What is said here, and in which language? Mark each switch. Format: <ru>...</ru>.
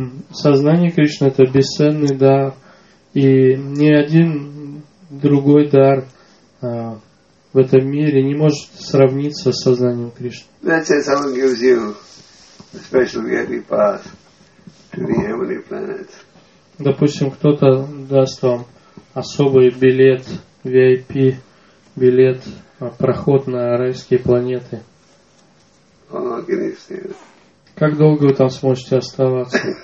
<ru>Сознание Кришны – это бесценный дар, и ни один другой дар в этом мире не может сравниться с сознанием Кришны.</ru> <en>Let's say someone gives you a special VIP pass to the heavenly planet.</en> <ru>Допустим, кто-то даст вам особый билет, VIP билет, проход на райские планеты.</ru> <en>How long can you stay?</en> <ru>Как долго вы там сможете оставаться?</ru>